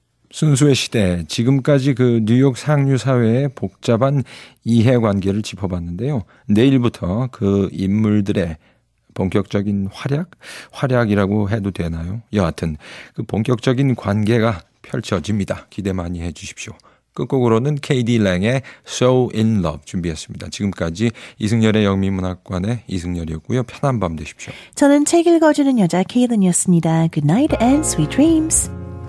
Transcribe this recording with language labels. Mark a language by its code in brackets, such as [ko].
[ko] 순수의 시대, 지금까지 그 뉴욕 상류사회의 복잡한 이해관계를 짚어봤는데요. 내일부터 그 인물들의 본격적인 활약? 활약이라고 해도 되나요? 여하튼 그 본격적인 관계가 펼쳐집니다. 기대 많이 해 주십시오. 끝곡으로는 KD 랭의 So In Love 준비했습니다. 지금까지 이승열의 영미문학관의 이승열이었고요. 편한 밤 되십시오. 저는 책 읽어주는 여자 케이든이었습니다. [en] Good night and sweet dreams.